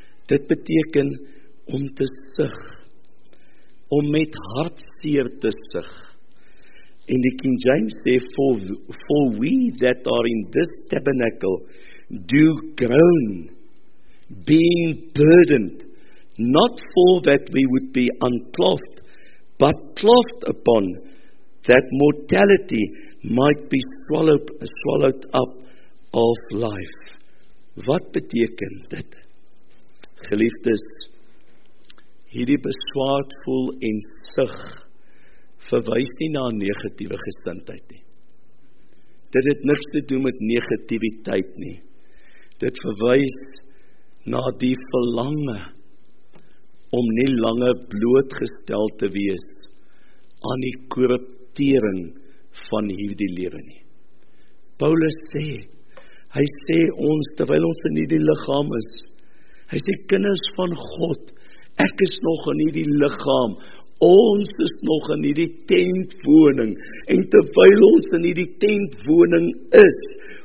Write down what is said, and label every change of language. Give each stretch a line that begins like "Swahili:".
Afrikaans: Dit beteken om te sug, om met hartseer te sug. En die King James sê,
English: for we that are in this tabernacle do groan, being burdened, not for that we would be unclothed, but clothed upon, that mortality might be swallowed up of life.
Afrikaans: Wat beteken dit? Geliefdes, hierdie beswaard voel en sug verwys nie na negatiewe gestindheid nie. Dit het niks te doen met negativiteit nie. Dit verwys na die verlange om nie langer blootgestel te wees aan die korruptering van hierdie lewe nie. Paulus sê, hy sê ons, terwyl ons in hierdie liggaam is, hy sê, kinders van God, ek is nog in hierdie liggaam, ons is nog in hierdie tentwoning, en terwyl ons in hierdie tentwoning is,